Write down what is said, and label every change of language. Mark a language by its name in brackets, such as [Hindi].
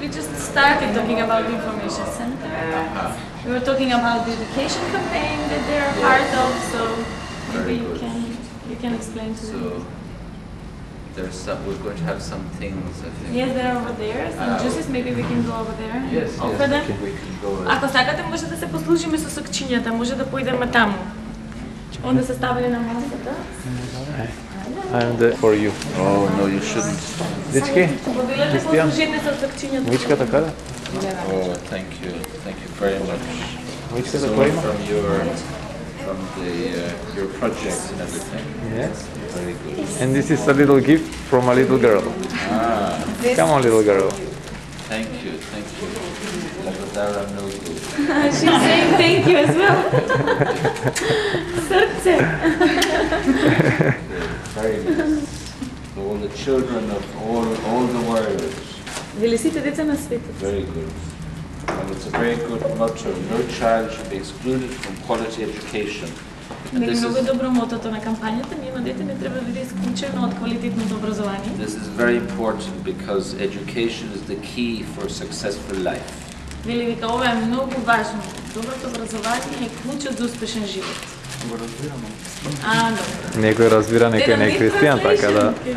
[English] We just started talking about the information center. We were talking about the education campaign that they are part of. So maybe you can explain to them. There's some. We're going to have some things. I think. Yes, they're over there. Some juices. Maybe we can go over there. Yes, and offer them. [Macedonian] Ако сакате, може да се послужиме со сакчињата. Може да поидеме таму. Онде се ставиле на масата. [English] And for you. Oh, no, you shouldn't. [Macedonian] Дечки? Христијан? Вичката каде? [English] Oh, thank you. Thank you very much. [Macedonian] Вичката кој има? [English] From your project and everything. Yes. Very good. And this is a little gift from a little girl. Ah. Come on, little girl. Thank you, thank you. [Macedonian] Благодарам многу. [English] She's saying thank you as well. [Macedonian] Срце. [English] Very good. All the children of all the world. [Macedonian] Вели сите деца на светот. [English] Very good. And it's a very good motto. No child should be excluded from quality education. [Macedonian] Нели многу добро мотото на кампањата. Нема дете не треба да биде исклучено од квалитетното образование. [English] This is very important because education is the key for successful life. [Macedonian] Вели дека ова е многу важно. Доброто образование е клучот за успешен живот. Некој разбира, некој не е христијан, така да.